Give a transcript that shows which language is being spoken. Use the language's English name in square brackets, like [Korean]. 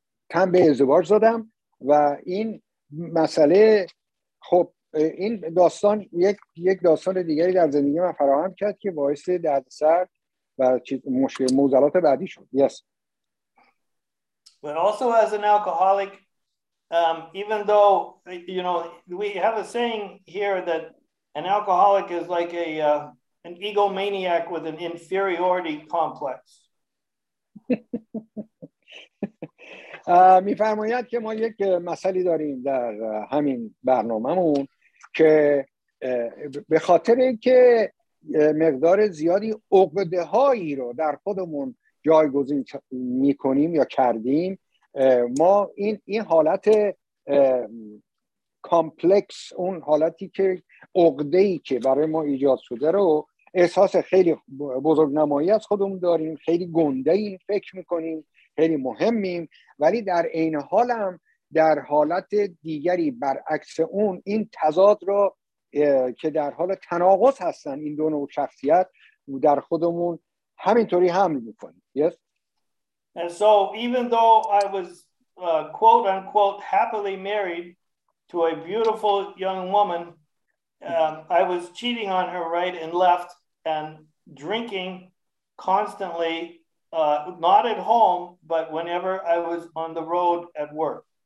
[Persian] تن به ازدواج زدم و این مسئله خب این داستان یک داستان دیگری در زندگی من فراهم کرد که باعث دردسر و مشکل موزلات بعدی شد. [English] Yes. But also as an alcoholic, even though, you know, we have a saying here that an alcoholic is like an egomaniac with an inferiority complex. [Persian] می فرماید که ما یک مسئله داریم در همین برنامه‌مون که به خاطر اینکه مقدار زیادی عقده‌هایی رو در خودمون جایگزین می‌کنیم یا کردیم ما این حالت کامپلکس اون حالتی که عقده‌ای که برای ما ایجاد شده رو احساس خیلی بزرگ نمایی از خودمون داریم، خیلی گنده این فکر میکنیم، خیلی مهمیم، ولی در این حال هم در حالت دیگری برعکس اون این تضاد رو که در حال تناقض هستن این دو نوع شخصیت در خودمون همینطوری حمل میکنیم. [English] Yes. And so even though I was quote unquote happily married to a beautiful young woman, I was cheating on her right and left and drinking constantly, not at home, but whenever I was on the road at work.